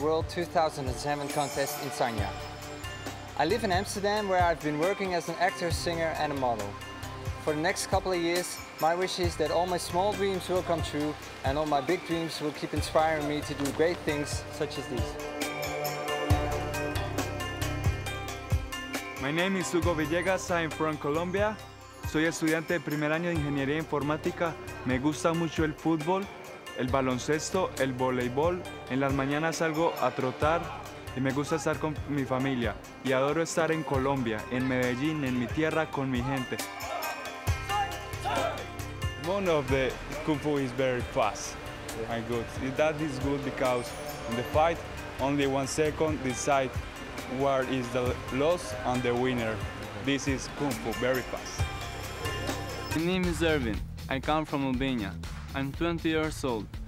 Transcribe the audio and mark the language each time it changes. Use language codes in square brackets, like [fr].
[en] World 2007 contest in Sanya. I live in Amsterdam, where I've been working as an actor, singer, and a model. For the next couple of years, my wish is that all my small dreams will come true, and all my big dreams will keep inspiring me to do great things such as these. My name is Hugo Villegas, I'm from Colombia. [es] Soy estudiante de primer año de Ingeniería Informática. Me gusta mucho el fútbol, el baloncesto, el voleibol. En las mañanas salgo a trotar y me gusta estar con mi familia. Y adoro estar en Colombia, en Medellín, en mi tierra, con mi gente. [en] One of the kung fu is very fast, my good. That is good because in the fight, only 1 second decide where is the loss and the winner. This is kung fu, very fast. My name is Ervin. I come from Albania. I'm 20 years old.